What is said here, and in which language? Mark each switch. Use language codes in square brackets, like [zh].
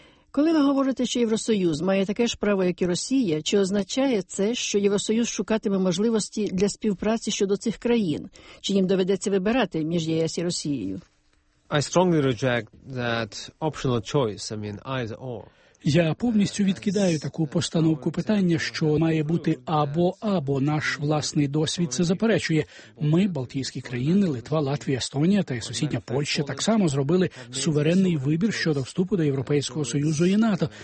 [uk] Коли ви говорите, що Євросоюз має таке ж право, як і Росія, чи означає це, що Євросоюз шукатиме можливості для співпраці щодо цих країн? Чи їм доведеться вибирати між ЄС і Росією? [en] I strongly reject that optional choice. I mean, either or. [uk] Я повністю відкидаю таку постановку питання, що має бути або-або. Наш власний досвід це заперечує. Ми, Балтійські країни, Литва, Латвія, Естонія та сусідня Польща так само зробили суверенний вибір щодо вступу до Європейського Союзу і НАТО.